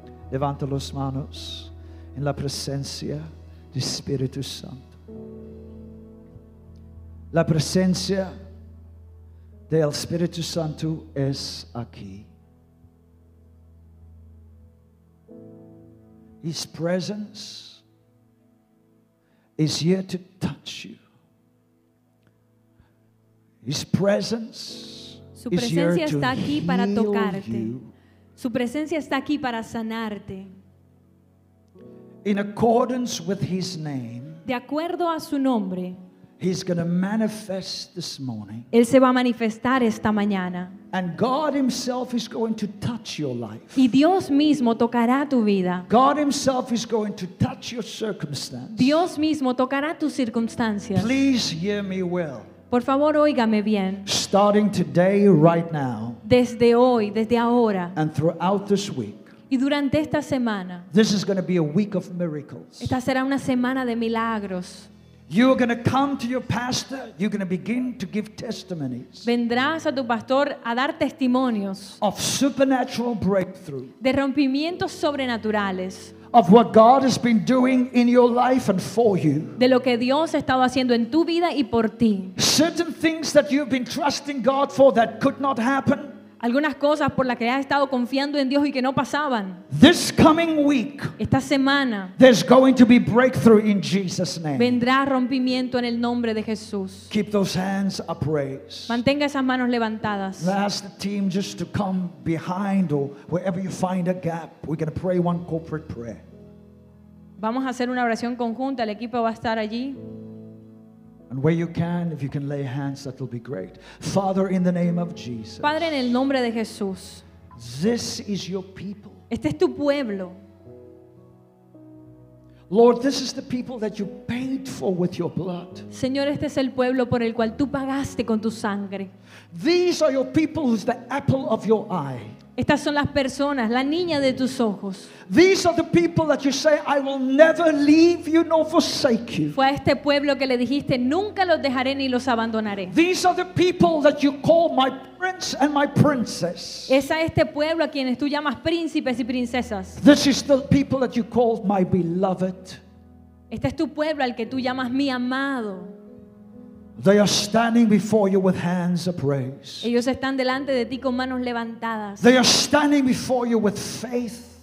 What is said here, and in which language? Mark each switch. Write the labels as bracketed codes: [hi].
[es] Levanta las manos en la presencia del Espíritu Santo. La presencia del Espíritu Santo es aquí. [en] His presence is here to touch you. His presence. [es] Su presencia [en] is here [es] está [en] to [es] aquí para tocarte. Su presencia está aquí para sanarte. [en] In accordance with his name. [es] De acuerdo a su nombre. [en] He's going to manifest this morning. [es] Él se va a manifestar esta mañana. [en] And God himself is going to touch your life. [es] Y Dios mismo tocará tu vida. [en] God himself is going to touch your circumstance. [es] Dios mismo tocará tus circunstancias. [en] Please hear me well. [es] Por favor, óigame bien. [en] Starting today, right now. [es] Desde hoy, desde ahora. [en] And throughout this week. [es] Y durante esta semana. [en] This is going to be a week of miracles. [es] Esta será una semana de milagros. [en] You are going to come to your pastor. You're going to begin to give testimonies. [es] Vendrás a tu pastor a dar testimonios. [en] Of supernatural breakthrough. [es] De rompimientos sobrenaturales. [en] Of what God has been doing in your life and for you. [es] De lo que Dios ha estado haciendo en tu vida y por ti. [en] Certain things that you've been trusting God for that could not happen. [es] Algunas cosas por las que has estado confiando en Dios y que no pasaban. [en] This coming week. [es] Esta semana. [en] There's going to be breakthrough in Jesus' name. [es] Vendrá rompimiento en el nombre de Jesús. [en] Keep those hands upraised. [es] Mantenga esas manos levantadas. [en] Ask the team just to come behind or wherever you find a gap. We're going to pray one corporate prayer. [es] Vamos a hacer una oración conjunta. El equipo va a estar allí. [en] And where you can, if you can lay hands, that will be great. Father, in the name of Jesus. [es] Padre, en el nombre de Jesús. [en] This is your people. [es] Este es tu pueblo. [en] Lord, this is the people that you paid for with your blood. [es] Señor, este es el pueblo por el cual tú pagaste con tu sangre. [en] These are your people who's the apple of your eye. [es] Estas son las personas, la niña de tus ojos. [en] These are the people that you say I will never leave you nor forsake you. [es] Fue a este pueblo que le dijiste nunca los dejaré ni los abandonaré. [en] These are the people that you call my prince and my princess. [es] Es a este pueblo a quienes tú llamas príncipes y princesas. [en] This is the people that you call my beloved. [es] Este es tu pueblo al que tú llamas mi amado. [en] They are standing before you with hands upraised. [es] Ellos están delante de ti con manos levantadas. [en] They are standing before you with faith.